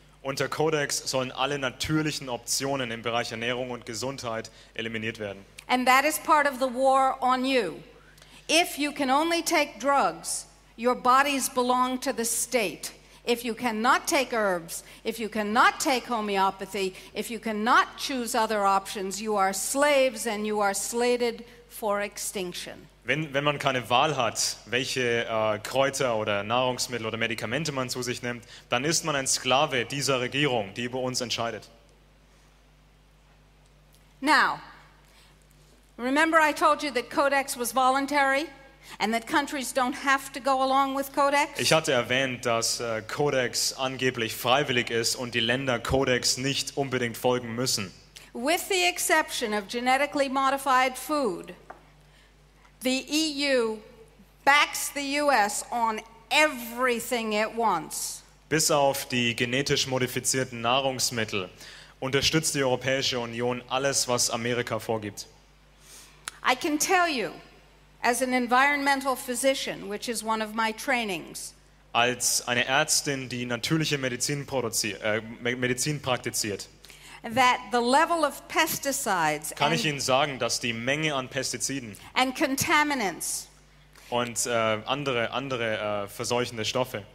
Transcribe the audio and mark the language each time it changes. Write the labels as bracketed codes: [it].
[de] Unter Codex sollen alle natürlichen Optionen im Bereich Ernährung und Gesundheit eliminiert werden. [en] And that is part of the war on you. If you can only take drugs, your bodies belong to the state. If you cannot take herbs, if you cannot take homeopathy, if you cannot choose other options, you are slaves and you are slated for extinction. [de] Wenn man keine Wahl hat, welche Kräuter oder Nahrungsmittel oder Medikamente man zu sich nimmt, dann ist man ein Sklave dieser Regierung, die über uns entscheidet. [en] Now, remember I told you that Codex was voluntary? And that countries don't have to go along with Codex. [de] Ich hatte erwähnt, dass Codex angeblich freiwillig ist und die Länder Codex nicht unbedingt folgen müssen. [en] With the exception of genetically modified food, the EU backs the US on everything it wants. [de] Bis auf die genetisch modifizierten Nahrungsmittel unterstützt die Europäische Union alles, was Amerika vorgibt. [en] I can tell you, as an environmental physician, which is one of my trainings. [de] Als eine Ärztin, die natürliche Medizin Medizin praktiziert. [en] That the level of pesticides. [de] Kann ich Ihnen sagen, dass die Menge an Pestiziden. [en] And contaminants. [de] Und andere verseuchende Stoffe.